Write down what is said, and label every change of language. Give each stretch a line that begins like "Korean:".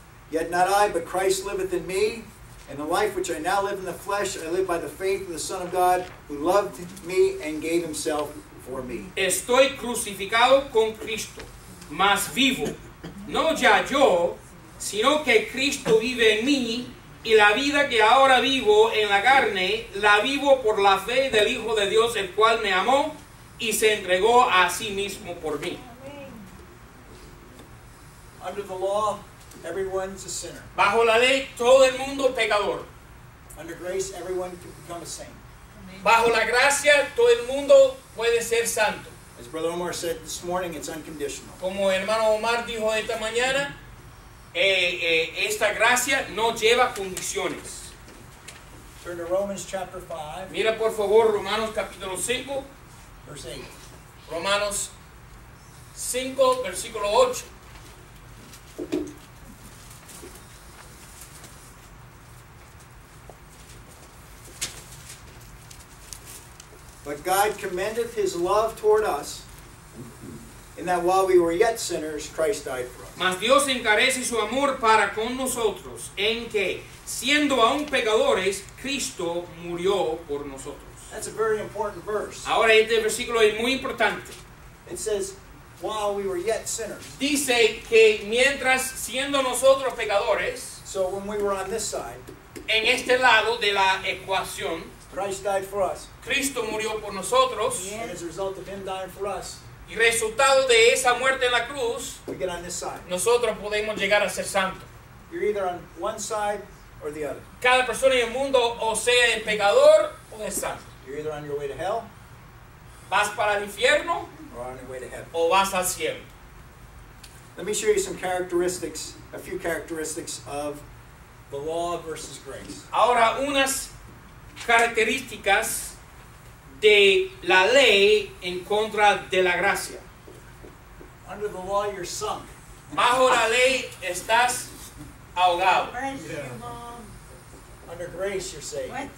English: Yet not I, but Christ liveth in me. And the life which I now live in the flesh, I live by the faith of the Son of God, who loved me and gave himself for me.
Spanish: Estoy crucificado con Cristo, mas vivo. No ya yo, sino que Cristo vive en mí. Y la vida que ahora vivo en la carne, la vivo por la fe del Hijo de Dios, el cual me amó y se entregó a sí mismo por mí.
English: Under the law, everyone's a sinner.
Spanish: Bajo la ley, todo el mundo pecador.
English: Under grace, everyone can become a saint.
Spanish: Bajo la gracia, todo el mundo puede ser santo.
English: As Brother Omar said this morning, it's unconditional.
Spanish: Como hermano Omar dijo esta mañana, esta gracia no lleva condiciones.
English: Turn to Romans chapter 5.
Spanish: Mira por favor Romanos capítulo 5.
English: Verse 8.
Spanish: Romanos 5, versículo 8.
English: But God commendeth his love toward us, in that while we were yet sinners, Christ died for us.
Spanish: Mas Dios encarece su amor para con nosotros, en que, siendo aún pecadores, Cristo murió por nosotros.
English: That's a very important verse.
Spanish: Ahora este versículo es muy importante.
English: It says, while we were yet sinners.
Spanish: Dice que mientras siendo nosotros pecadores,
English: so when we were on this side,
Spanish: en este lado de la ecuación,
English: Christ died for us.
Spanish: Cristo murió por nosotros.
English: And as a result of him dying for us,
Spanish: y resultado de esa muerte en la cruz,
English: we get on this side.
Spanish: Nosotros podemos llegar a ser santos.
English: You're either on one side or the other.
Spanish: Cada persona en el mundo o sea el pecador o es santo.
English: You're either on your way to hell,
Spanish: vas para el infierno,
English: or on your way to heaven,
Spanish: o vas al cielo.
English: Let me show you some characteristics, a few characteristics of the law versus grace.
Spanish: Ahora unas características de la ley en contra de la gracia.
English: Under the law, you're sunk.
Spanish: Bajo la ley estás ahogado.
English: Yeah. Under grace, you're saved.